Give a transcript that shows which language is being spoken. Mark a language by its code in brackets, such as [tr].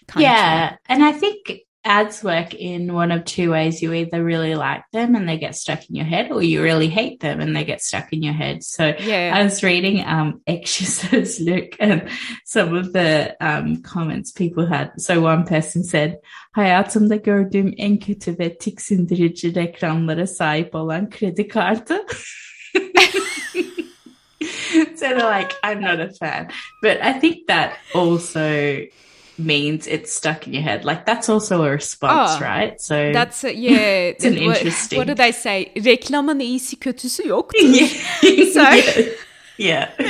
[en] Yeah. And I think ads work in one of two ways. You either really like them and they get stuck in your head, or you really hate them and they get stuck in your head. So yeah. I was reading Exorcist Luke and some of the comments people had. [tr] So one person said, hayatımda gördüğüm en kötü ve tiksindirici reklamlara sahip olan kredi kartı. [en] So they're like, I'm not a fan. But I think that also means it's stuck in your head. Like, that's also a response, right? So that's it's an interesting. What do they say? Reklamın iyisi kötüsü yoktu. Yeah. So yeah.